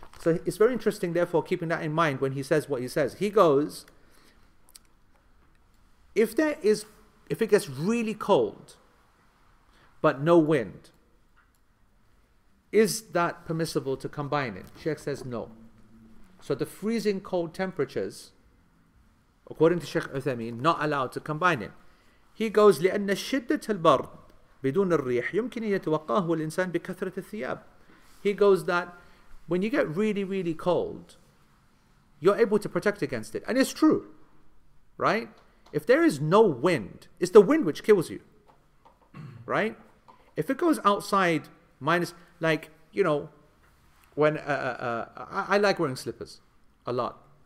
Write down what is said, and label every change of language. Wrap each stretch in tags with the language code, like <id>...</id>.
<en>So it's very interesting, therefore, keeping that in mind when he says what he says. He goes, if it gets really cold, but no wind, is that permissible to combine it? Sheikh says no. So the freezing cold temperatures, according to Sheikh Uthaymeen, not allowed to combine it. He goes,</en> <ar>لأن شدة البرد بدون الريح يمكن أن يتوقعه الإنسان بكثرة الثياب.</ar> <en>He goes that when you get really, really cold, you're able to protect against it. And it's true, right? If there is no wind, it's the wind which kills you, right? If it goes outside minus, like, you know, when I like wearing slippers a lot.</en>